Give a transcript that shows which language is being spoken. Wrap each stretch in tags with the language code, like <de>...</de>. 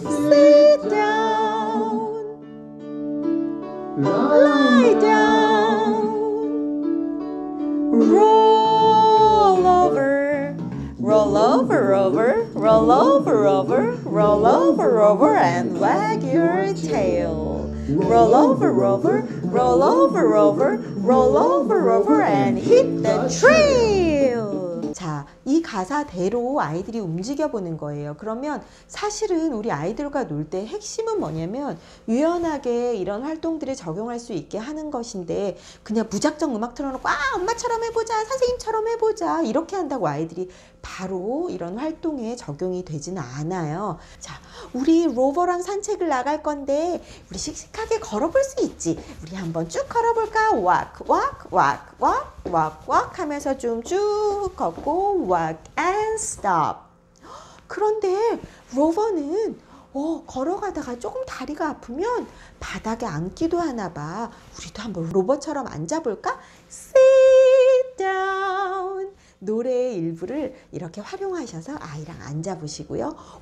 <en>Sit down, lie down, roll over, roll over, Rover, roll over, Rover, roll over, Rover, and wag your tail. Roll over, Rover. Roll over, Rover. Roll over, Rover, and hit the trail.</en> <ko>자, 이 가사대로 아이들이 움직여보는 거예요. 그러면 사실은 우리 아이들과 놀 때 핵심은 뭐냐면 유연하게 이런 활동들을 적용할 수 있게 하는 것인데 그냥 무작정 음악 틀어놓고 아, 엄마처럼 해보자, 선생님처럼 해보자 이렇게 한다고 아이들이 바로 이런 활동에 적용이 되진 않아요. 자, 우리 로버랑 산책을 나갈 건데 우리 씩씩하게 걸어볼 수 있지? 우리 한번 쭉 걸어볼까?</ko> <en>Walk, walk, walk, walk, walk, walk</en> <ko>하면서 좀 쭉 걷고</ko> <en>Walk and stop.</en> <ko>그런데 로버는 걸어가다가 조금 다리가 아프면 바닥에 앉기도 하나 봐. 우리도 한번 로버처럼 앉아볼까?</ko> <en>Sit down.</en> <ko>노래의 일부를 이렇게 활용하셔서 아이랑 앉아보시고요.</ko>